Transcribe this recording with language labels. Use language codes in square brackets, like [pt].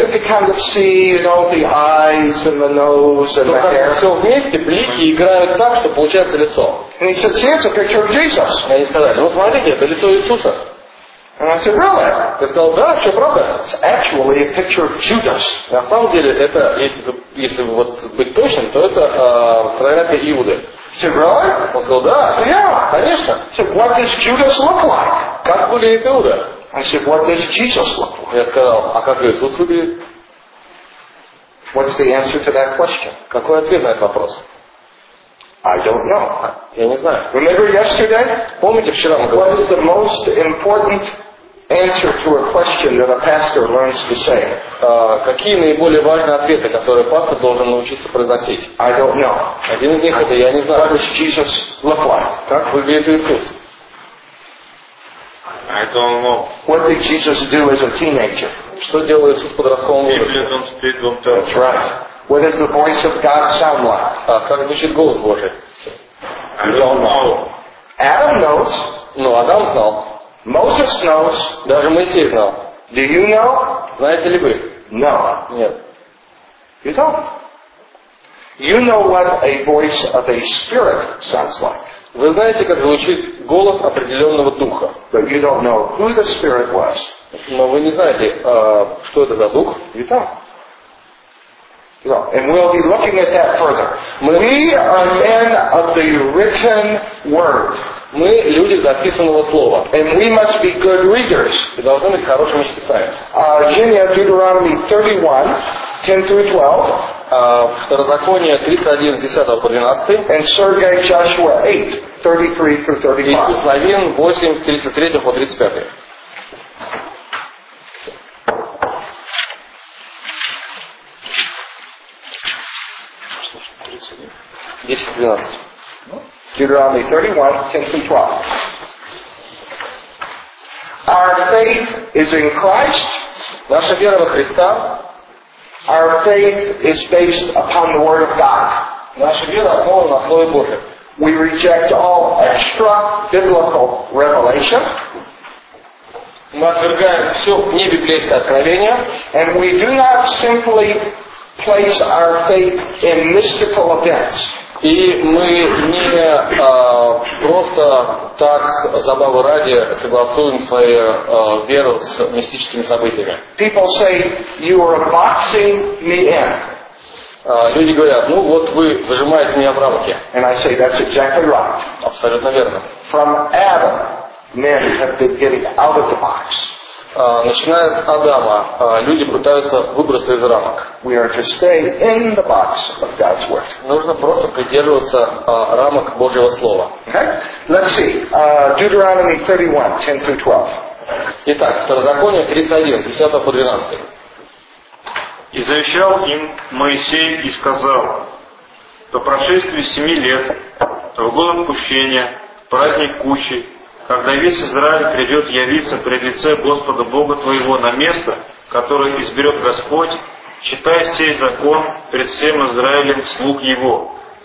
[en] you can kind of see, you know, the eyes and the nose and the hair. [ru] Все вместе блики играют так, что получается лицо. [en] And he said, see, it's a picture of Jesus. [ru] И они сказали, ну смотрите, это лицо Иисуса. [en] And I said, really? [ru] Я сказал, да, все правда. [en] It's actually a picture of Judas. [ru] На самом деле, это, если вот быть точным, то это фотография Иуды. [en] He said, really? [ru] Он сказал, да. [en] Yeah. [ru] Конечно. [en] He said, what does Judas look like? [ru] Как выглядит Иуда? [en] I said, what does Jesus look like? [ru] Я сказал, а как Иисус выглядит? [en] What's the answer to that question? [ru] Какой ответ на этот вопрос? [en] I don't know. [ru] Я не знаю. [en] Remember yesterday? [ru] Помните вчера мы говорили? [en] What is the most important answer to a question that a pastor learns to say? [ru] Какие наиболее важные ответы, которые пастор должен научиться произносить? [en] I don't know. [ru] Один из них это я не знаю. [en] What does Jesus look like? [ru] Как выглядит Иисус? [en] I don't know. What did Jesus do as a teenager? [ru] Что делал Иисус в подростковом возрасте? [en] That's right. What does the voice of God sound like? [ru] Как звучит голос Божий? [en] I don't know. Adam knows. [ru] Ну, Адам знал. [en] Moses knows. [ru] Даже Моисей знал. [en] Do you know? [ru] Знаете ли вы? [en] No. [ru] Нет. [en] You don't. You know what a voice of a spirit sounds like. [ru] Вы знаете, как звучит голос определенного духа. [en] But you don't know who the spirit was. [ru] Но вы не знаете, что это за дух. [en] You don't. No, and we'll be looking at that further. We are men of the written word. [ru] Мы люди записанного слова. [en] And we must be good readers. [ru] И должны быть хорошими читателями. [en] Genia, Deuteronomy 31:10-12. [ru] Второзаконие 31, 10 по 12. [en] And Sergei Joshua 8:33-35. [ru] Исловин 8:33-35. [en] Deuteronomy 31:10-12. Our faith is in Christ. [ru] Наша вера во Христа. [en] Our faith is based upon the Word of God. [ru] Наша вера основана на Слове Божьем. [en] We reject all extra biblical revelation. [ru] Мы отвергаем все вне библейское откровение. [en] And we do not simply place our faith in mystical events. [ru] И мы не просто так забавы ради согласуем свою веру с мистическими событиями. [en] People say you are boxing me in. [ru] Люди говорят, ну вот вы зажимаете меня в рамки. [en] And I say, that's exactly right. [ru] Абсолютно верно. [en] From Adam, men have been getting out of the box. [ru] Начиная с Адама, люди пытаются выбраться из рамок. [en] We are to stay in the box of God's word. [ru] Нужно просто придерживаться рамок Божьего Слова. [en] Okay? Let's see. Deuteronomy 31, 10 through 12. [ru] Итак, Второзаконие 31, 10 по 12. «И завещал им Моисей и сказал, по прошествии 7 лет, в год отпущения, праздник кучи, когда весь Израиль придет явиться пред лице Господа Бога твоего на место, которое изберет Господь, читай сей закон пред всем Израилем слуг его.